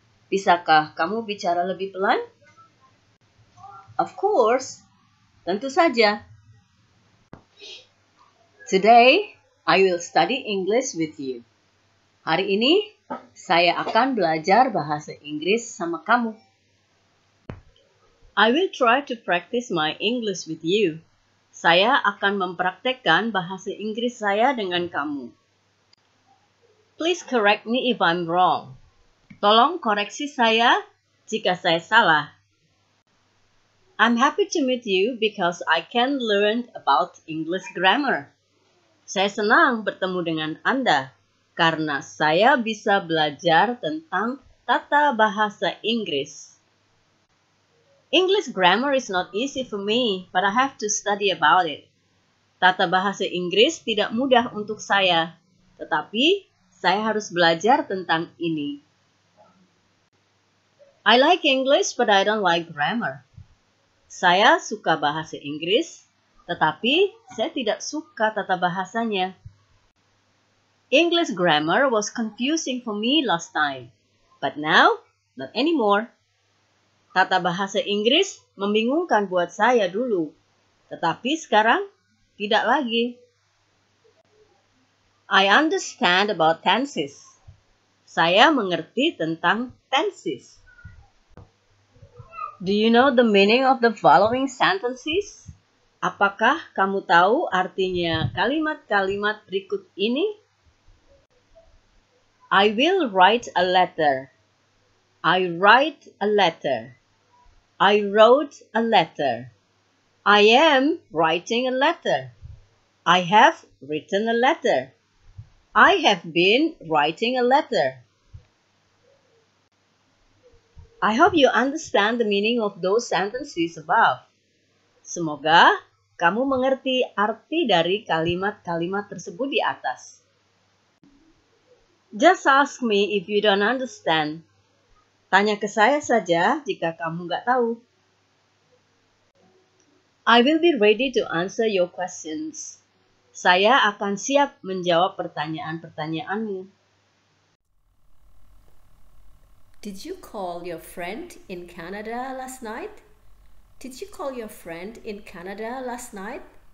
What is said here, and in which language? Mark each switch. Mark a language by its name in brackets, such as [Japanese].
[Indonesian] Bisakah kamu bicara lebih pelan? [English] Of course. [Indonesian] Tentu saja. [English] Today, I will study English with you. [Indonesian] Hari ini, saya akan belajar bahasa Inggris sama kamu. [English] I will try to practice my English with you. [Indonesian] Saya akan mempraktikkan bahasa Inggris saya dengan kamu. [English] Please correct me if I'm wrong. [Indonesian] Tolong koreksi saya jika saya salah. [English] I'm happy to meet you because I can learn about English grammar. [Indonesian] Saya senang bertemu dengan Anda karena saya bisa belajar tentang tata bahasa Inggris. [English] English grammar is not easy for me, but I have to study about it. [Indonesian] Tata bahasa Inggris tidak mudah untuk saya, tetapi saya harus belajar tentang ini. [English] I like English, but I don't like grammar. [Indonesian] Saya suka bahasa Inggris, tetapi saya tidak suka tata bahasanya. [English] English grammar was confusing for me last time, but now not anymore. [Indonesian] Tata bahasa Inggris membingungkan buat saya dulu, tetapi sekarang tidak lagi. [English] I understand about tenses. [Indonesian] Saya mengerti tentang tenses. [English] Do you know the meaning of the following sentences? [Indonesian] Apakah kamu tahu artinya kalimat-kalimat berikut ini? [English] I will write a letter. I write a letter. I wrote a letter. I am writing a letter. I have written a letter. I have been writing a letter. I hope you understand the meaning of those sentences above. [Indonesian] Semoga kamu mengerti arti dari kalimat-kalimat tersebut di atas. [English] Just ask me if you don't understand. [Indonesian] Tanya ke saya saja jika kamu nggak tahu. [English] I will be ready to answer your questions. [Indonesian] Saya akan siap menjawab pertanyaan-pertanyaanmu. [English] Did you call your friend in Canada last night? Did you call your friend in Canada last night?